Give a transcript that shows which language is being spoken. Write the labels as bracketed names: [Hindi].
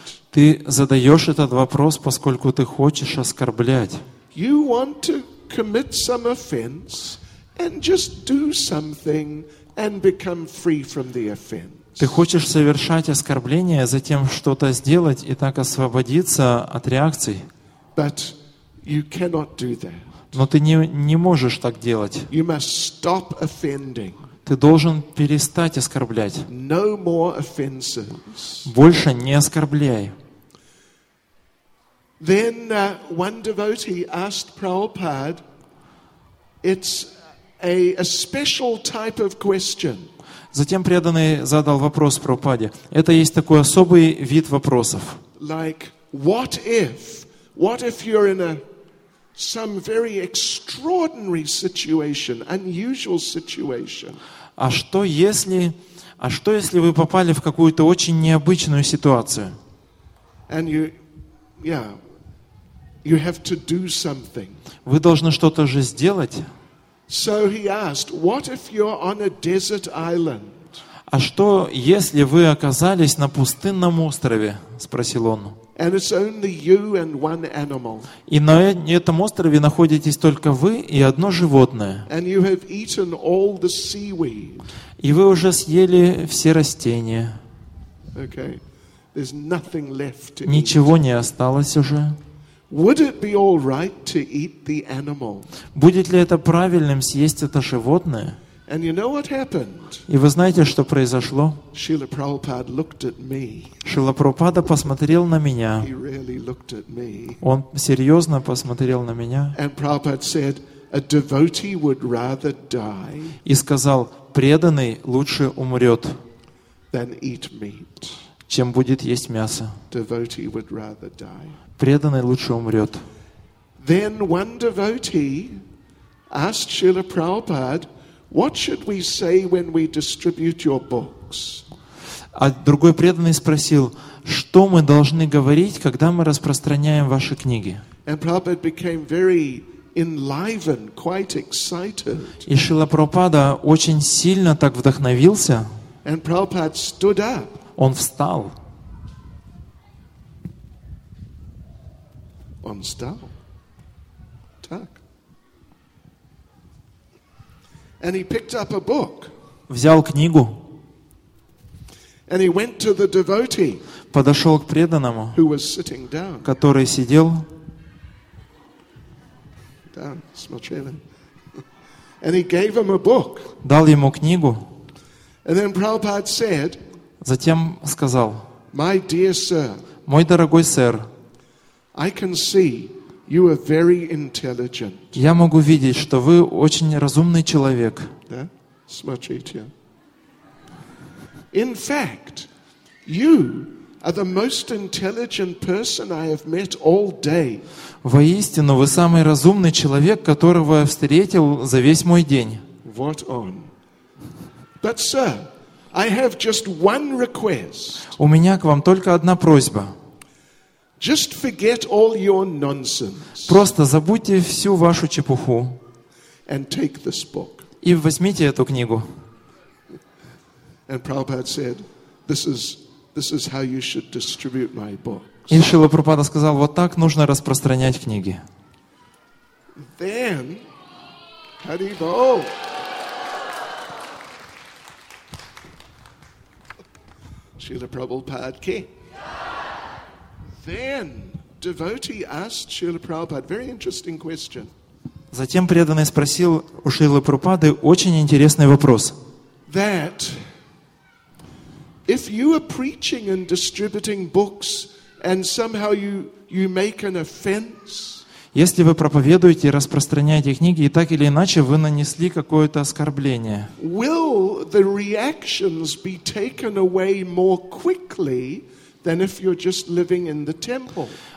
[Russian] Ты задаешь этот вопрос, поскольку ты хочешь оскорблять. Ты хочешь совершать оскорбление, затем что-то сделать и так освободиться от реакций. [English] But you cannot do that. [Russian] Но ты не можешь так делать. [English] You must stop offending. [Russian] Ты должен перестать оскорблять. [English] No more offenses. [Russian] Больше не оскорбляй. [English] Then one devotee asked Prabhupada, it's a special type of question. [Russian] Затем преданный задал вопрос Прабхупаде. Это есть такой особый вид вопросов. [English] Like, what if you're in some very extraordinary situation, unusual situation? [Russian] А что если вы попали в какую-то очень необычную ситуацию? [English] And you, yeah. You have to do something. [Russian] Вы должны что-то же сделать. [English] So he asked, what if you're on a desert island? [Russian] А что, если вы оказались на пустынном острове? Спросил он. [English] And it's only you and one animal. [Russian] И на этом острове находитесь только вы и одно животное. [English] And you have eaten all the seaweed. [Russian] И вы уже съели все растения. [English] Okay. There's nothing left to [Russian] eat. Ничего не осталось уже. [English] Would it be all right to eat the animal? [Russian] Будет ли это правильным съесть это животное? [English] And you know what happened? [Russian] И вы знаете, что произошло? [English] Шрила Прабхупада looked at me. [Russian] Шрила Прабхупада посмотрел на меня. [English] He really looked at me. [Russian] Он серьезно посмотрел на меня. [English] And Prabhupada said, a devotee would rather die. [Russian] И сказал: преданный лучше умрет, [English] than eat meat. [Russian] Чем будет есть мясо. [English] Devotee would rather die. [Russian] Преданный лучше умрет. [English] Then one devotee asked Srila Prabhupada, what should we say when we distribute your books? [Russian] А другой преданный спросил, что мы должны говорить, когда мы распространяем ваши книги? [English] And Prabhupada became very enlivened, quite excited. [Russian] И Шрила Прабхупада очень сильно так вдохновился. [English] And Prabhupada stood up. [Russian] Он встал. Он встал. Так. [English] And he picked up a book. [Russian] Взял книгу. [English] And he went to the devotee. [Russian] Подошел к преданному. [English] Who was sitting down. [Russian] Который сидел. [English] Down, smoking. And he gave him a book. [Russian] Дал ему книгу. [English] And then Prabhupada said. [Russian] Затем сказал. [English] My dear sir. [Russian] Мой дорогой сэр. [English] I can see you are very intelligent. [Russian] Я могу видеть, что вы очень разумный человек. Да? Смотрите. [English] In fact, you are the most intelligent person I have met all day. [Russian] Воистину, вы самый разумный человек, которого я встретил за весь мой день. [English] What on? But sir, I have just one request. [Russian] У меня к вам только одна просьба. [English] Just forget all your nonsense. [Russian] Просто забудьте всю вашу чепуху. [English] And take this book. [Russian] И возьмите эту книгу. [English] And Prabhupada said, this is how you should distribute my book. [Russian] И Шрила Прабхупада сказал, вот так нужно распространять книги. [English] Then, Shrila Prabhupada ki. Then, devotee asked Shrila Prabhupada, very interesting question. [Russian] Затем преданный спросил у Шрилы Прабхупады очень интересный вопрос. [English] That, if you are preaching and distributing books, and somehow you make an offense. [Russian] Если вы проповедуете и распространяете книги, и так или иначе вы нанесли какое-то оскорбление. [English] Will the reactions be taken away more quickly than if you're just living in the temple?